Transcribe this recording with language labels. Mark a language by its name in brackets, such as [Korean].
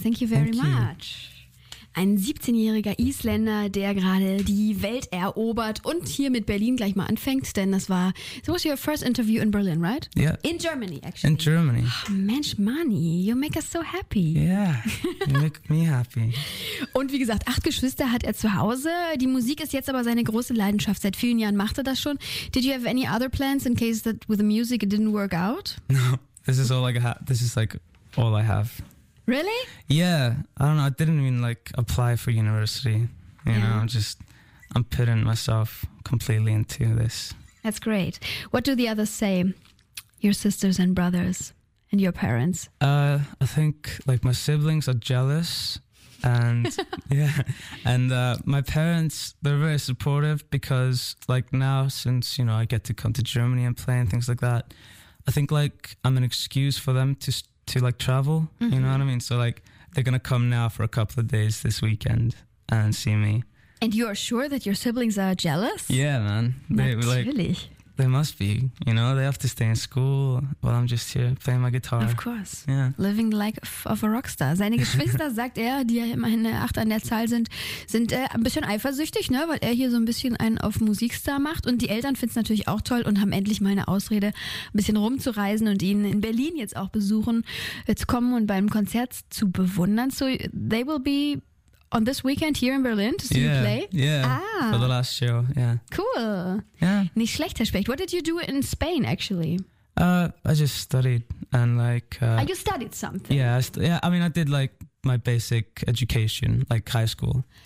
[English] Thank you very much. [German] Ein 17-jähriger Isländer, der gerade die Welt erobert und hier mit Berlin gleich mal anfängt, denn das war, [English] so was your first interview in Berlin, right? Yeah. In Germany, actually. In Germany. [German] Oh, Mensch, [English] Mani, you make us so happy. Yeah, you make me happy. [German] Und wie gesagt, 8 Geschwister hat er zu Hause. Die Musik ist jetzt aber seine große Leidenschaft. Seit vielen Jahren macht er das schon. [English] Did you have any other plans in case that with the music it didn't work out? No, this is all I got. This is like all I have. Really? Yeah. I don't know. I didn't even like apply for university. You know, just I'm putting myself completely into this. That's great. What do the others say? Your sisters and brothers and your parents? I think like my siblings are jealous and yeah. And my parents, they're very supportive because like now since, you know, I get to come to Germany and play and things like that, I think like I'm an excuse for them to like travel, mm-hmm. You know what I mean? So like they're gonna come now for a couple of days this weekend and see me. And you are sure that your siblings are jealous? Yeah, man. They must be, you know, they have to stay in school while I'm just here playing my guitar. Of course. Yeah. Living the life of a rockstar. [German] Seine Geschwister, sagt er, die ja immerhin 8 an der Zahl sind, sind ein bisschen eifersüchtig, ne, weil er hier so ein bisschen einen auf Musikstar macht. Und die Eltern finden es natürlich auch toll und haben endlich mal eine Ausrede, ein bisschen rumzureisen und ihn in Berlin jetzt auch besuchen, zu kommen und beim Konzert zu bewundern. [English] So they will be on this weekend here in Berlin to see you play? Yeah, for the last show, yeah. Cool. Yeah. [German] Nicht schlecht, Herr Specht. [English] What did you do in Spain, actually? I just studied and like... you studied something? Yeah, I mean, I did like my basic education, like high school.